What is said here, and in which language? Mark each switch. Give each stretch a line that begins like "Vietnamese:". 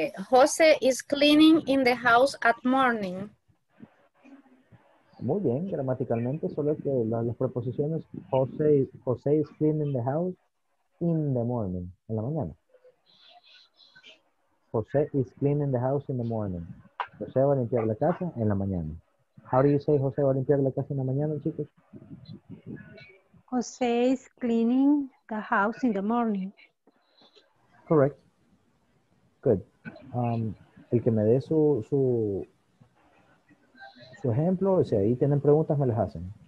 English: José is cleaning in the house at morning.
Spanish: Muy bien, gramaticalmente, solo que las preposiciones
English: José is cleaning the house in the morning,
Spanish: en la mañana.
English: José is cleaning the house in the morning.
Spanish: José va a limpiar la casa en la mañana.
English: How do you say
Spanish: José va a limpiar la casa en la mañana, chicos?
English: José is cleaning the house in the morning. Correct. Good.
Spanish: El que me dé su ejemplo, si ahí tienen preguntas, me las hacen.